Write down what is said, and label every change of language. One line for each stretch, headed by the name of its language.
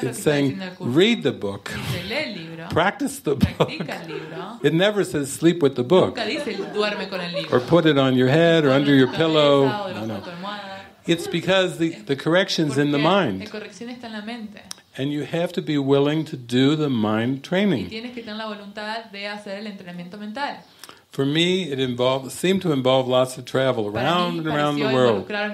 English: it's saying, read the book. Practice the book.
Spanish: El libro.
English: It never says sleep with the book.
Spanish: Nunca dice, duerme con el libro.
English: Or put it on your head or under your pillow.
Spanish: No, no.
English: It's because the correction's
Spanish: porque
English: in the mind.
Spanish: La corrección está en la mente.
English: And you have to be willing to do the mind training.
Spanish: Y tienes que tener la voluntad de hacer el entrenamiento mental.
English: For me, it seemed to involve lots of travel around and around the world.